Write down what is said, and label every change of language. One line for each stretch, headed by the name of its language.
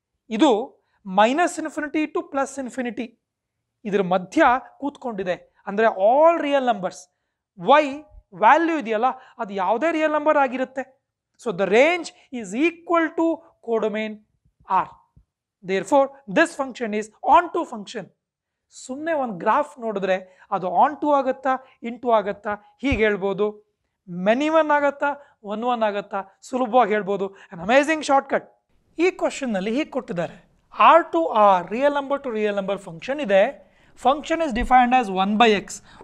Kannada: ಇದು minus infinity to plus infinity ಇದರ ಮಧ್ಯ ಕೂತ್ಕೊಂಡಿದೆ, ಅಂದರೆ
English: All real numbers.
Kannada: Y value ಇದೆಯಲ್ಲ ಅದು ಯಾವುದೇ ರಿಯಲ್ ನಂಬರ್ ಆಗಿರುತ್ತೆ.
English: So the range is equal to codomain R. therefore this function is onto function.
Kannada: ಸುಮ್ಮನೆ ಒಂದು ಗ್ರಾಫ್ ನೋಡಿದ್ರೆ ಅದು ಆನ್ ಟು ಆಗತ್ತಾ ಇನ್ ಟು ಆಗತ್ತಾ ಹೀಗೆ ಹೇಳ್ಬೋದು, ಮೆನಿ ಒನ್ ಆಗತ್ತಾ ಒನ್ ಒನ್ ಆಗತ್ತಾ ಸುಲಭವಾಗಿ ಹೇಳ್ಬೋದು.
English: An amazing shortcut.
Kannada: ಈ ಕ್ವಶನ್ನಲ್ಲಿ ಹೀಗೆ ಕೊಟ್ಟಿದ್ದಾರೆ,
English: R to R real number to real number function ಇದೆ, function is defined as one by x.